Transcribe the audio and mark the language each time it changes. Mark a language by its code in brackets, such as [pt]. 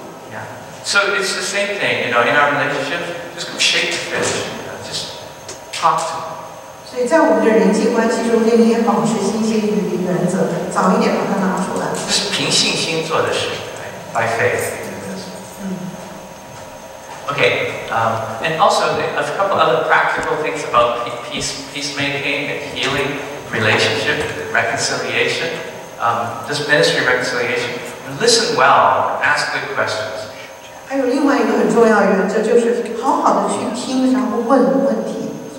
[en] Yeah. So it's the same thing, you know, in our relationship, just go shake the fish, you know, just talk to them. [zh] 所以在我们的人际关系中间，你也保持新鲜鱼的原则，早一点把它拿出来。是凭信心做的事 [en] ，by faith. Okay, and also a couple other practical things about peacemaking and healing, relationship reconciliation. This ministry reconciliation. Listen well, ask good questions. [zh] 还有另外一个很重要的原则，就是好好的去听，然后问问题。